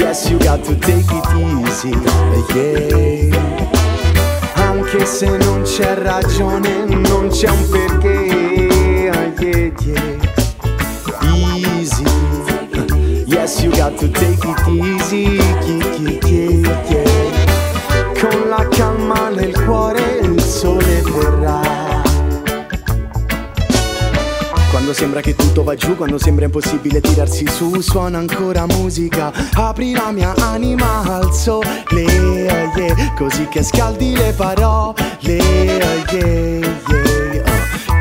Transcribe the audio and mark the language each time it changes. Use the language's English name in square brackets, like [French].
[English] You got to take it easy, yeah. [Italian] Anche se non c'è ragione, non c'è un perché, yeah, yeah. [English] Easy, yes, you got to take it easy, yeah, yeah, yeah, yeah. [Italian] Con la calma nel cuore il sole verrà. Quando sembra che tutto va giù, quando sembra impossibile tirarsi su, suona ancora musica, apri la mia anima al sole, yeah, yeah, così che scaldi le parole, yeah, yeah, oh.